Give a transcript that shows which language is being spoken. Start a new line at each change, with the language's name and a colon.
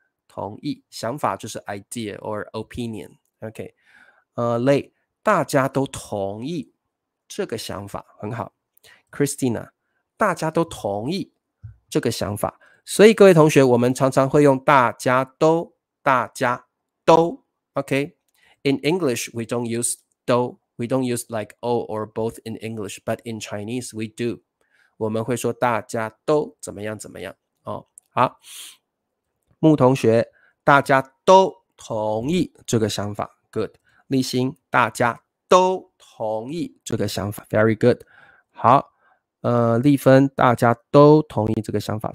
Chinese: 同意，想法就是
English: idea or opinion。
Chinese: OK， 大家都同意这个想法，很好。 Christina， 大家都同意这个想法。所以各位同学，我们常常会用大家都，大家都。
English: OK， in English we don't use 都， we don't use like all or both in English， but in Chinese we do。
Chinese: 我们会说大家都怎么样怎么样哦。好，木同学，大家都同意这个想法。
English: Good。
Chinese: 立新，大家都同意这个想法。
English: Very good。
Chinese: 好，立芬，大家都同意这个想法。